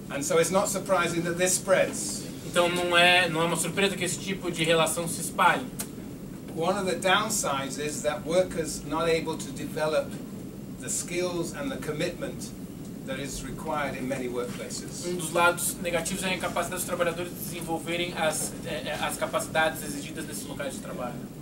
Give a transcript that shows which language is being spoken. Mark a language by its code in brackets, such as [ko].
[en] And so it's not surprising that this spreads. [pt] Então não é uma surpresa que esse tipo de relação se espalhe. [en] One of the downsides is that workers not able to develop the skills and the commitment that is required in many workplaces. [pt] Um dos lados negativos é a incapacidade dos trabalhadores de desenvolverem as capacidades exigidas nesses locais de trabalho.